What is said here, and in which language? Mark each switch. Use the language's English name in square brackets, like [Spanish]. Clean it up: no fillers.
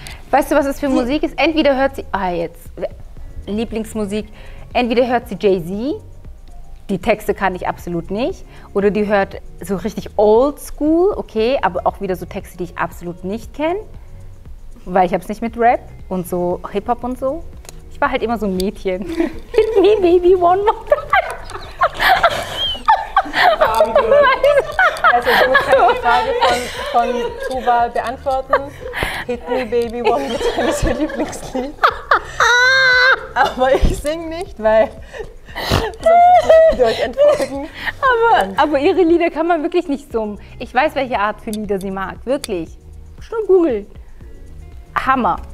[German] Weißt du, was das für Musik ist? Entweder hört sie, Lieblingsmusik. Entweder hört sie Jay-Z, die Texte kann ich absolut nicht. Oder die hört so richtig Oldschool, okay, aber auch wieder so Texte, die ich absolut nicht kenne. Weil ich habe es nicht mit Rap und so Hip-Hop und so. Ich war halt immer so ein Mädchen. [English] Hit me, baby, one more time. [German] Also, ich muss keine Frage von Tuba beantworten. [English] Hit me, baby, one more time [German] ist ihr Lieblingslied. Aber ich sing nicht, weil sonst könnt ihr euch entfolgen. Aber ihre Lieder kann man wirklich nicht summen. Ich weiß, welche Art für Lieder sie mag. Wirklich. Schon googeln. Hammer.